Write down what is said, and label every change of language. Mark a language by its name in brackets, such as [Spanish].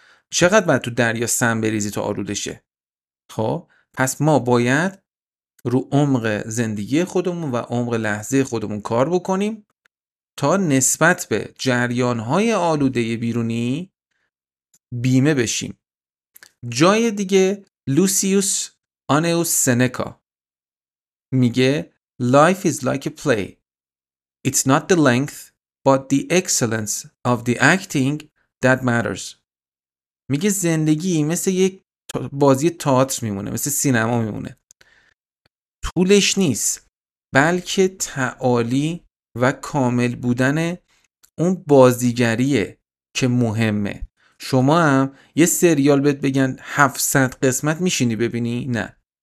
[Persian] چقدر باید تو دریا سم بریزی تا آلوده شه؟ خب پس ما باید رو عمق زندگی خودمون و عمق لحظه خودمون کار بکنیم تا نسبت به جریان‌های آلوده بیرونی بیمه بشیم. جای دیگه لوسیوس آنئوس سنکا میگه Life is like a play. [English] It's not the length but the excellence of the acting that matters. [Persian] میگه زندگی مثل یک بازی تئاتر میمونه، مثل سینما میمونه. طولش نیست، بلکه تعالی و کامل بودن اون بازیگریه که مهمه. شما هم یه سریال بهت بگن 700 قسمت میشینی ببینی؟ نه.